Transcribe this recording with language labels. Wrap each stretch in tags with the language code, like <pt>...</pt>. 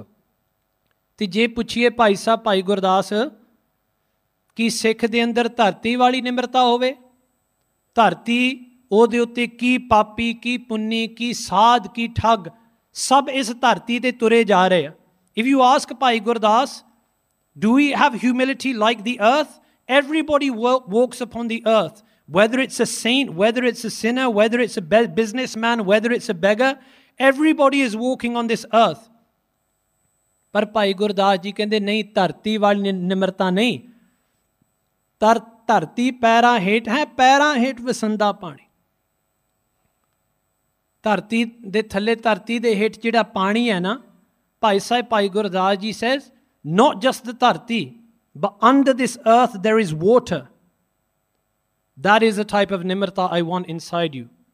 <pa>ਅਤੇ ਜੇ ਪੁੱਛੀਏ ਭਾਈ ਸਾਹਿਬ ਭਾਈ ਗੁਰਦਾਸ ਕਿ ਸਿੱਖ ਦੇ ਅੰਦਰ ਧਰਤੀ ਵਾਲੀ ਨਿਮਰਤਾ ਹੋਵੇ, ਧਰਤੀ ਉਹਦੇ ਉੱਤੇ ਕੀ ਪਾਪੀ ਕੀ ਪੁੰਨੀ ਕੀ ਸਾਧ ਕੀ ਠੱਗ ਸਭ ਇਸ ਧਰਤੀ 'ਤੇ ਤੁਰੇ ਜਾ ਰਹੇ ਆ,</pa> <en>if you ask</en> <pa>Bhai Gurdas</pa> <en>Do we have humility like the earth? Everybody walks upon the earth, whether it's a saint, whether it's a sinner, whether it's a businessman, whether it's a beggar. Everybody is walking on this earth.</en> <pa>ਪਰ ਭਾਈ ਗੁਰਦਾਸ ਜੀ ਕਹਿੰਦੇ ਨਹੀਂ, ਧਰਤੀ ਵਾਲੀ ਨਿਮਰਤਾ ਨਹੀਂ, ਧਰਤੀ ਪੈਰਾਂ ਹੇਠ ਹੈ, ਪੈਰਾਂ ਹੇਠ ਵਸੰਦਾ ਪਾਣੀ। ਧਰਤੀ ਦੇ ਥੱਲੇ, ਧਰਤੀ ਦੇ ਹੇਠ ਜਿਹੜਾ ਪਾਣੀ ਹੈ ਨਾ Bhai Sahib, Bhai Gurdas ji</pa> <en>Says, not just the dharti, but under this earth there is water, that is a type of nimrata I want inside you.</en>